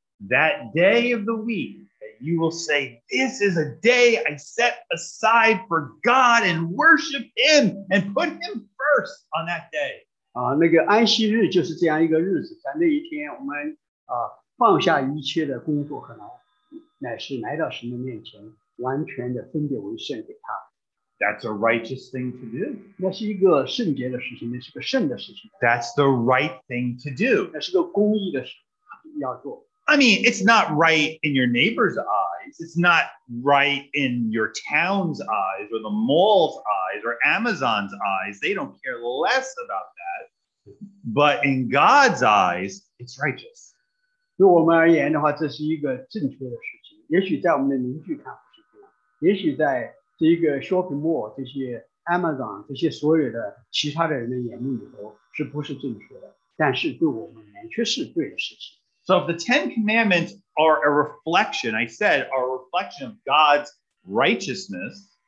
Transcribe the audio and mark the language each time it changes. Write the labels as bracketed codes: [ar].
[en] That day of the week that you will say, this is a day I set aside for God and worship him and put him first on that day. [zh] 那个安息日就是这样一个日子，在那一天我们放下一切的工作和劳，乃是来到神的面前，完全的分别为圣给他。 [en] That's a righteous thing to do. [zh] 那是一个圣洁的事情，那是个圣的事情。 [en] That's the right thing to do. [zh] 那是个公义的事要做。 [en] I mean, it's not right in your neighbor's eyes. It's not right in your town's eyes or the mall's eyes or Amazon's eyes. They don't care less about that. But in God's eyes, it's righteous. [zh] 对我们而言的话，这是一个正确的事情。也许在我们的邻居看不是这样，也许在 这个shopping mall，这些Amazon，这些所有的其他的人的眼里头是不是正确的？但是对我们来说是对的事情。 [en] So if the Ten Commandments are a reflection, I said, are a reflection of God's righteousness.